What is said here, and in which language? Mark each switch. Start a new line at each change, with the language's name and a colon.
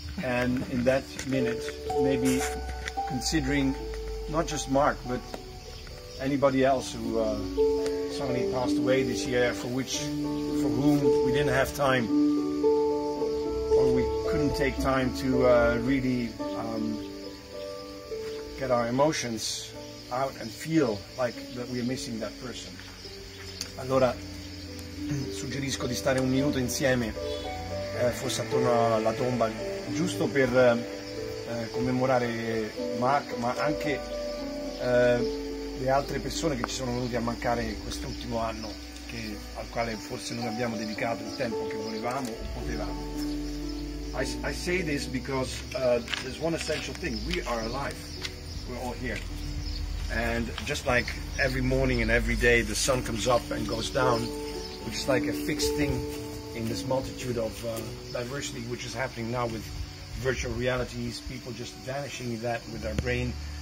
English: And in that minute, maybe considering not just Mark, but anybody else who suddenly passed away this year, for whom we didn't have time, or we couldn't take time to really get our emotions out and feel like that we are missing that person.
Italian: Allora, suggerisco di stare un minuto insieme, forse attorno alla tomba, giusto per commemorare Mark, ma anche le altre persone che ci sono venute a mancare quest'ultimo anno, che, al quale forse non abbiamo dedicato il tempo che volevamo o potevamo.
English: I say this because there's one essential thing. We are alive. We're all here. And just like every morning and every day the sun comes up and goes down, which is like a fixed thing in this multitude of diversity which is happening now with virtual realities, people just vanishing that with our brain.